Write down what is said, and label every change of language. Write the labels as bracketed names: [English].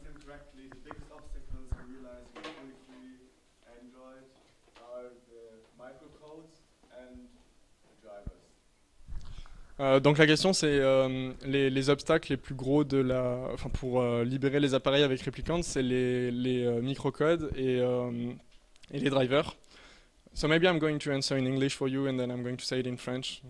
[English] Directly, the biggest obstacles we realize with Android are [French] Donc la question c'est les obstacles les plus gros de la, enfin pour libérer les appareils avec Replicant, c'est les microcodes et les drivers. [English] So maybe I'm going to answer in English for you and then I'm going to say it in French.